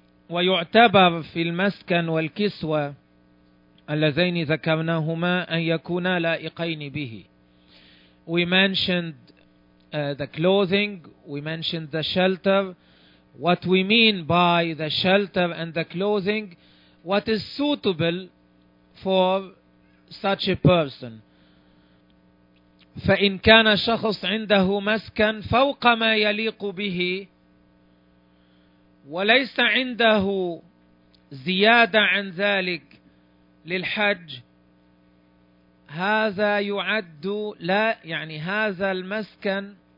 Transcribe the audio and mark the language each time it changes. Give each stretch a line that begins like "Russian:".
Arabic: ويعتبر في المسكن والكسوة اللذين ذكرناهما أن يكونا لائقين به.
English: We mentioned the clothing, we mentioned the shelter. What we mean by the shelter and the clothing, what is suitable for such a person.
Arabic: فإن كان شخص عنده مسكن فوق ما يليق به وليس عنده زيادة عن ذلك للحج هذا يعد لا يعني هذا المسكن